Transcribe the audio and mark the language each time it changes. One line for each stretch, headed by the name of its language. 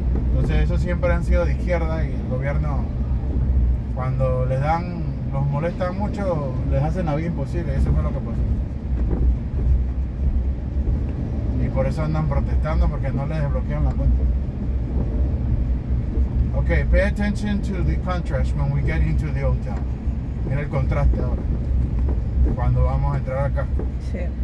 Spanish: Entonces esos siempre han sido de izquierda, y el gobierno cuando los molestan mucho, les hacen la vida imposible, y eso fue lo que pasó. Y por eso andan protestando, porque no les desbloquean la cuenta.
English: Ok, pay attention to the contrast when we get into the hotel.
Spanish: Mira el contraste ahora, cuando vamos a entrar acá. Sí.